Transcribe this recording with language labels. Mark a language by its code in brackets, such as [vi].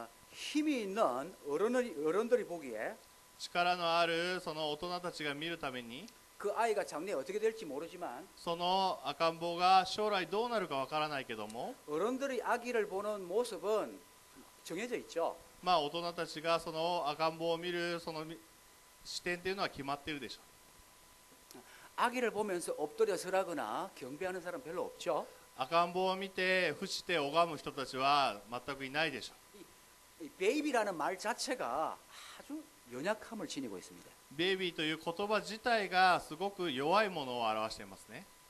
[ko] 힘이있는어른들이보기에 [ja] 力のあるその大人たちが見るために [ko] 그아이가장래어떻게될지모르지만 [ja] その赤ん坊が将来どうなるかわからないけども [ko] 어른들이아기를보는모습은정해져있죠 [ja] まあ大人たちがその赤ん坊を見るその視点というのは決まってるでしょう [ko] 아기를보면서엎드려서라거나경배하는사람별로없죠 [ja] 赤ん坊を見て伏して拝む人たちは全くいないでしょう [ko] 베이비라는말자체가아주연약함을지니고있습니다 [ja] 베이비という言葉自体がすごく弱いものを表していますね